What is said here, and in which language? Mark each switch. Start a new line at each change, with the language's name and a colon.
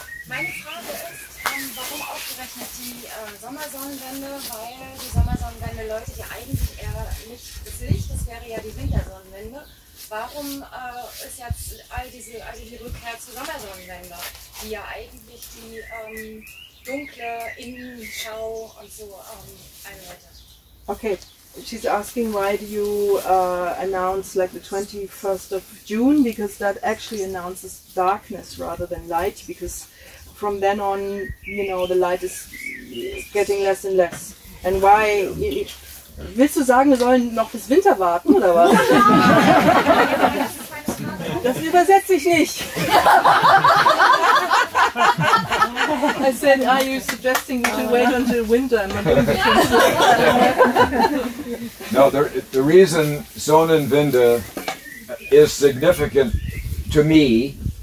German: Meine Frage ist, warum ausgerechnet die Sommersonnenwende, weil die Sommersonnenwende läutet ja eigentlich eher nicht das Licht, das wäre ja die Wintersonnenwende. Warum ist jetzt all diese Rückkehr zur Sommersonnenwende, die ja eigentlich die dunkle Innenschau und so einläutet?
English: Okay. She's asking why do you announce like the 21st of June, because that actually announces darkness rather than light, because from then on, you know, the light is getting less and less. And why...
German: Willst du sagen, wir sollen noch bis Winter warten, oder was? Das übersetze ich nicht.
English: I said, are you suggesting we should wait until winter? No, the reason Sonnenwende is significant to me...